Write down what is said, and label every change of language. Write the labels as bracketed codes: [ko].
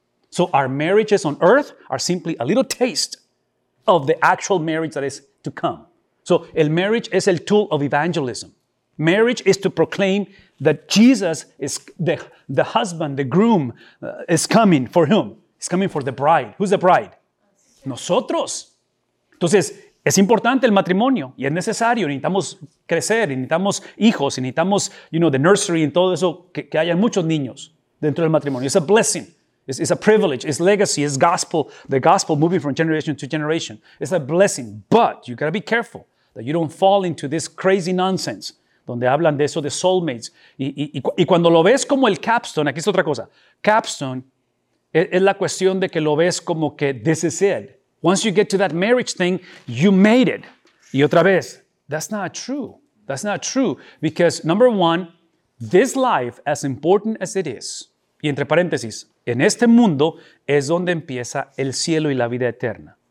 [en] So our marriages on earth are simply a little taste of the actual marriage that is to come. So el marriage [es] es el [en] tool of evangelism. Marriage is to proclaim that Jesus is the husband, the groom, is coming. For whom? It's coming for the bride. Who's the bride? [es] Nosotros. Entonces, es importante el matrimonio y es necesario. Necesitamos crecer, necesitamos hijos, necesitamos, [en] you know, the nursery and [es] todo eso, que haya muchos niños dentro del matrimonio. [en] It's a blessing. It's a privilege. It's legacy. It's gospel. The gospel moving from generation to generation. It's a blessing. But you got to be careful that you don't fall into this crazy nonsense [es] donde hablan de eso de soulmates. Y cuando lo ves como el capstone, aquí es otra cosa. Capstone es la cuestión de que lo ves como que [en] this is it. Once you get to that marriage thing, you made it. [es] Y otra vez, [en] that's not true. That's not true. Because number one, this life, as important as it is, [es] y entre paréntesis, en este mundo es donde empieza el cielo y la vida eterna.